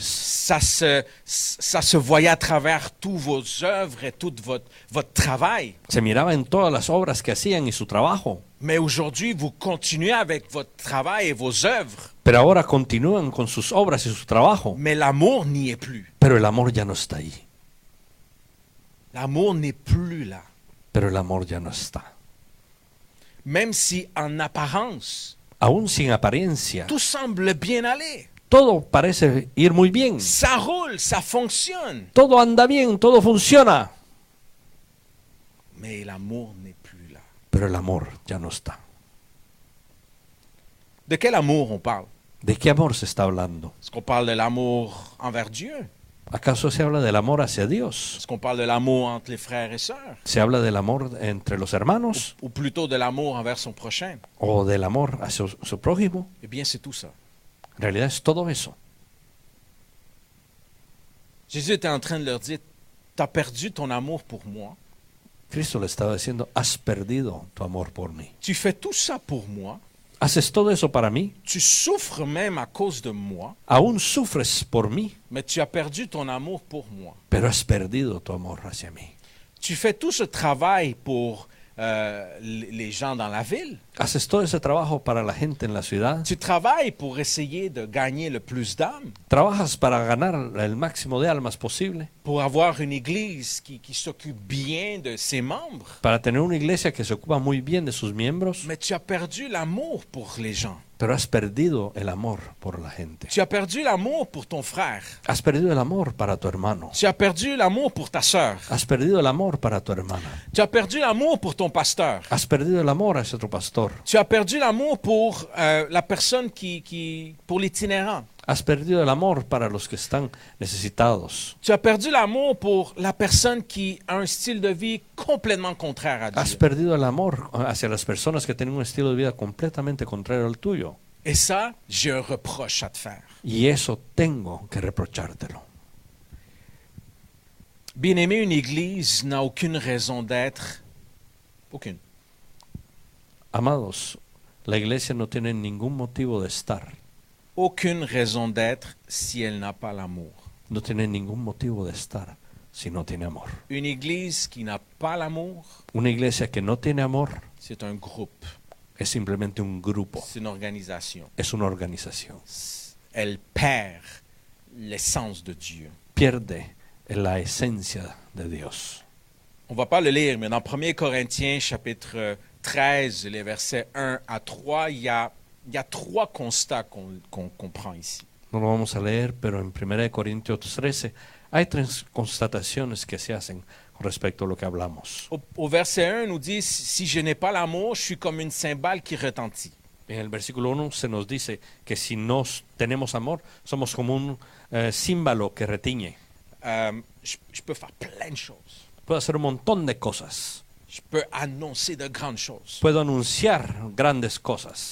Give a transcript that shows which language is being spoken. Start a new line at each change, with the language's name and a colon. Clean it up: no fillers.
French: Ça se voyait à travers toutes vos œuvres et tout votre travail.
Spanish: Se miraba en todas las obras que hacían y su trabajo.
French: Mais aujourd'hui, vous continuez avec votre travail et vos œuvres.
Spanish: Pero ahora continúan con sus obras y su trabajo.
French: Mais l'amour n'y est plus.
Spanish: Pero el amor ya no está ahí.
French: L'amour n'est plus là.
Spanish: Pero el amor ya no está.
French: Même si en apparence,
Spanish: aún sin apariencia,
French: tout semble bien aller.
Spanish: Todo parece ir muy bien.
French: Ça roule, ça fonctionne.
Spanish: Todo anda bien, todo funciona.
French: Mais l'amour n'est plus là.
Spanish: Pero el amor ya no está.
French: De quel amour on parle?
Spanish: ¿De qué amor se está hablando?
French: Est-ce qu'on parle de l'amour envers Dieu?
Spanish: ¿Acaso se habla del amor hacia Dios?
French: Est-ce qu'on parle de l'amour entre les frères et sœurs?
Spanish: ¿Se habla del amor entre los hermanos?
French: Ou plutôt de l'amour envers son prochain?
Spanish: ¿O del amor hacia su prójimo?
French: Eh bien, c'est tout ça.
Spanish: En realidad es todo eso.
French: Jésus était en train de leur dire, t'as perdu ton amour pour moi.
Spanish: Cristo le estaba diciendo, has perdido tu amor por mí.
French: Tu fais tout ça pour moi.
Spanish: Haces todo eso para mí.
French: Tu souffres même à cause de moi.
Spanish: Aún sufres por mí.
French: Mais tu as perdu ton amour pour moi.
Spanish: Pero has perdido tu amor hacia mí.
French: Tu fais tout ce travail pour les gens dans la ville.
Spanish: Haces todo ese trabajo para la gente en la ciudad.
French: Tu travailles pour essayer de gagner le plus d'âmes.
Spanish: Trabajas para ganar el máximo de almas posible.
French: Pour avoir une église qui s'occupe bien de ses membres.
Spanish: Para tener una iglesia que se ocupa muy bien de sus miembros.
French: Mais tu as perdu l'amour pour les gens.
Spanish: Pero has perdido el amor por la gente.
French: Tu as perdu l'amour pour ton frère.
Spanish: Has perdido el amor para tu hermano.
French: Tu as perdu l'amour pour ta sœur.
Spanish: Has perdido el amor para tu hermana.
French: Tu as perdu l'amour pour ton pasteur.
Spanish: Has perdido el amor hacia tu pastor.
French: Tu as perdu l'amour pour la personne qui pour l'itinérant.
Spanish: Has perdido el amor para los que están necesitados.
French: Tu as perdu l'amour pour la personne qui a un style de vie complètement contraire à Dieu.
Spanish: Has perdido el amor hacia las personas que tienen un estilo de vida completamente contrario al tuyo.
French: Et ça, j'ai un reproche à te faire.
Spanish: Y eso tengo que reprochártelo.
French: Bien-aimé, une église n'a aucune raison d'être. Aucune.
Spanish: Amados, La iglesia no tiene ningún motivo de estar.
French: Aucune raison d'être si elle n'a pas l'amour.
Spanish: No tiene ningún motivo de estar si no tiene amor.
French: Une église qui n'a pas l'amour.
Spanish: Una iglesia que no tiene amor.
French: C'est un groupe.
Spanish: Es simplemente un grupo.
French: C'est une organisation.
Spanish: Es una organización.
French: Elle perd l'essence de Dieu.
Spanish: Pierde la esencia de Dios.
French: On va pas le lire, mais dans 1 Corinthiens chapitre 13, les versets 1 à 3, il y a trois constats qu'on prend ici.
Spanish: No lo vamos a leer, pero en 1 Corintios 13 hay tres constataciones que se hacen con respecto a lo que hablamos.
French: Au verset 1 nous dit, si je n'ai pas l'amour, je suis comme une cymbale qui retentit.
Spanish: En el versículo 1 se nos dice que si no tenemos amor, somos como un címbalo que retiñe.
French: Je peux faire plein de choses.
Spanish: Puedo hacer un montón de cosas.
French: Je peux annoncer de grandes choses.
Spanish: Puedo anunciar grandes cosas.